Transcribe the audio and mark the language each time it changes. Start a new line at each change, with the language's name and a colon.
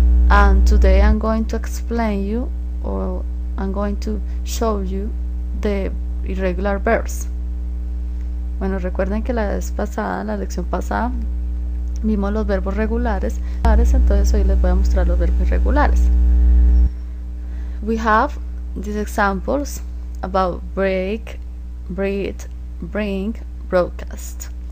English: And today I'm going to explain you, or I'm going to show you the irregular verbs.
Spanish: Bueno, recuerden que la lección pasada, vimos los verbos regulares. Entonces hoy les voy a mostrar los verbos irregulares.
English: We have these examples about break, breed, bring, broadcast.